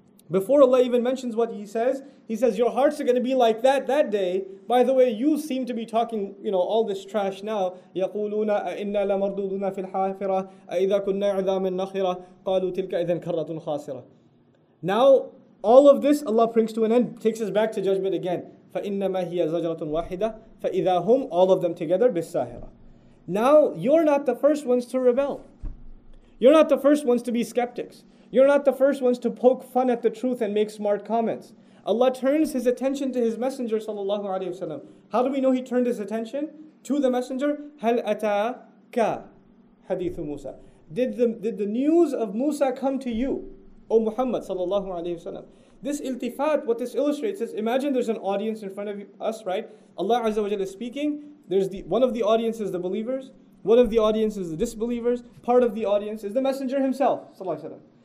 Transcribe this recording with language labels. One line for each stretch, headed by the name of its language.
English: Before Allah even mentions what He says, your hearts are going to be like that day. By the way, you seem to be talking, you know, all this trash now.
Arabic: يَقُولُونَ أَإِنَّا لَمَرْدُودُونَ فِي الْحَافِرَةِ أَإِذَا كُنَّا عِذَامٍ نَخِرَةٍ قَالُوا تِلْكَ إِذَنْ كَرَّةٌ خَاسِرَةٌ.
English: Now, all of this, Allah brings to an end, takes us back to judgment again.
Arabic: فَإِنَّمَا هِيَ زَجْرَةٌ وَاحِدَةٌ فَإِذَا هُمْ,
English: all of them together,
Arabic: بِالسَّاهِرَةِ.
English: Now, you're not the first ones to rebel. You're not the first ones to be skeptics. You're not the first ones to poke fun at the truth and make smart comments. Allah turns His attention to His Messenger, sallallahu alayhi wa sallam. How do we know He turned His attention? To the Messenger,
Arabic: هَلْ أَتَاكَ حَدِيثُ مُوسَى.
English: Did the news of Musa come to you, O Muhammad, sallallahu alayhi wa sallam? This iltifat, what this illustrates is, imagine there's an audience in front of us, right? Allah Azza wa Jalla is speaking. There's one of the audiences, the believers. One of the audiences, the disbelievers. Part of the audience is the Messenger himself, sallallahu alayhi wa sallam.